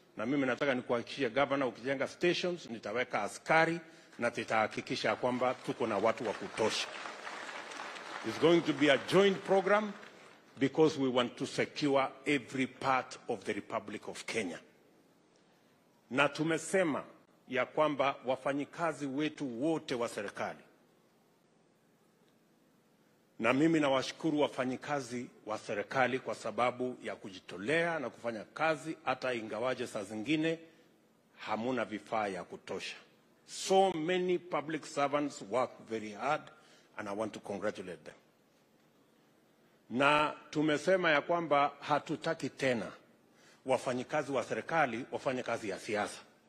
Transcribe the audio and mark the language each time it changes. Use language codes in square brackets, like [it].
[sw] Na mimi nataka nikuhakikishie governor, ukijenga stations nitaweka askari na nitahakikisha kwamba tuko na watu wa kutosha. [en] It's going to be a joint program because we want to secure every part of the Republic of Kenya. [sw] Na tumesema ya kwamba wafanyikazi wetu wote wa serikali Na mimi na washukuru wafanyikazi wa serikali kwa sababu ya kujitolea na kufanya kazi hata ingawaje saa zingine hamuna vifaa ya kutosha. [en] So many public servants work very hard and I want to congratulate them. [sw] Na tumesema ya kwamba hatutaki tena wafanyikazi wa serikali wafanye kazi ya siasa.